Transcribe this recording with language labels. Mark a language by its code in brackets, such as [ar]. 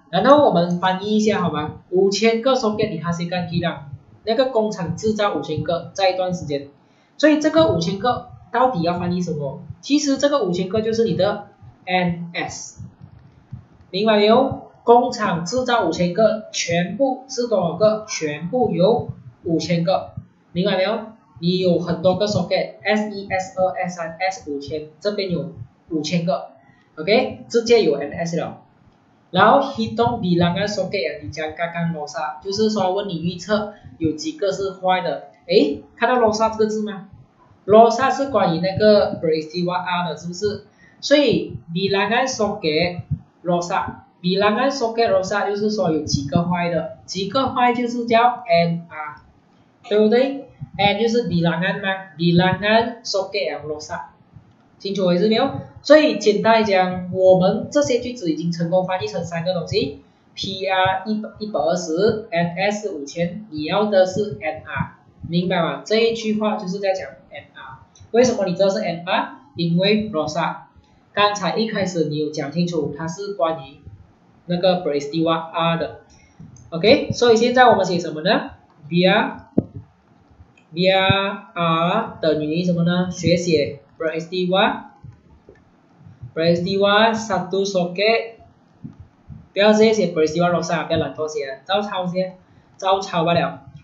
[zh] 然后我们翻译一下好吗？5000个 socket 里它是干几辆，那个工厂制造5000个在一段时间，所以这个5000个到底要翻译什么？其实这个5000个就是你的 NS， 明白没有？工厂制造5000个，全部是多少个？全部有5000个，明白没有？你有很多个 socket， S1 S2 S3 S5000， 这边有5000个。 OK， 直接有 NS 了。然后 [ms] hitung bilangan soket yang dijangkakan rosak， [zh] 就是说问你预测有几个是坏的。哎，看到 rosak 这个字吗？rosak 是关于那个 peristiwa R 的，是不是？所以 [ms] bilangan soket rosak， [zh] bilangan soket rosak 就是说有几个坏的，几个坏就是叫 NR， 对不对？ N 就是 bilangan 嘛， [ms] bilangan soket yang rosak， [zh] 清楚为止没有？所以简单来讲，我们这些句子已经成功翻译成三个东西 ，PR 120 ，NS 5000，你要的是 NR， 明白吗？这一句话就是在讲 NR， 为什么你知道是 NR？因为 rosak， 刚才一开始你有讲清楚，它是关于那个 peristiwa R 的。 OK， 所以现在我们写什么呢？biar R 等于什么呢？学写 [ms] peristiwa satu soket， [zh] 不要直接写 [ms] peristiwa rosa， [zh] 不要懒惰写，照抄先，照抄罢了。